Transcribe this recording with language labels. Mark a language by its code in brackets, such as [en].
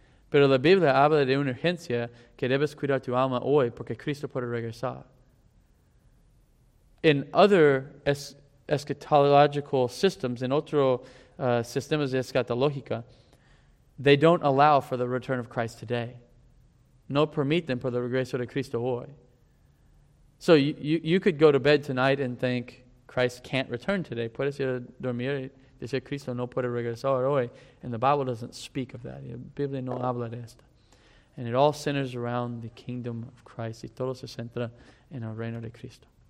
[es] Pero la Biblia habla de una urgencia que debes cuidar tu alma hoy porque Cristo puede regresar. [en] In other eschatological systems, in [es] otro sistemas de escatológica, [en] they don't allow for the return of Christ today. [es] No permiten por el regreso de Cristo hoy. [en] So you could go to bed tonight and think, Christ can't return today. [es] Puedes ir a dormir y decir, Cristo no puede regresar hoy. [en] And the Bible doesn't speak of that. [es] La Biblia no habla de esto. [en] And it all centers around the kingdom of Christ. [es] Y todo se centra en el reino de Cristo.